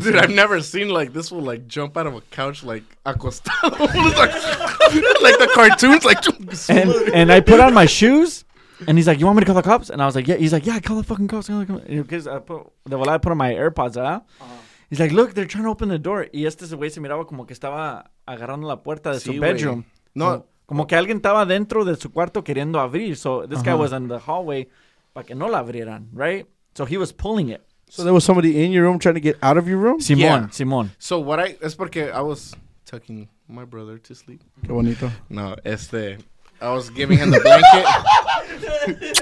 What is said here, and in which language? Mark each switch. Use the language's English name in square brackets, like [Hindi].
[English] dude, I've never seen like this will like jump out of a couch like [Spanish] acostado. [English] like the cartoons. Like and I put on my shoes. And he's like, you want me to call the cops? And I was like, yeah. He's like, yeah, call the fucking cops. Because I put on my AirPods. ¿Eh? He's like, look, they're trying to open the door. [Spanish] Y este se güey se miraba como que estaba agarrando la puerta de su [English] bedroom. [Spanish] No. Como que alguien estaba dentro de su cuarto queriendo abrir. [English] So this guy was in the hallway. [Spanish] Para que no la abrieran, [English] right? So he was pulling it. So there was somebody in your room trying to get out of your room? [Spanish] Simón. [English] So what I... [Spanish] Es porque [English] I was tucking my brother to sleep. [Spanish] Qué bonito. [English] No, I was giving him the blanket.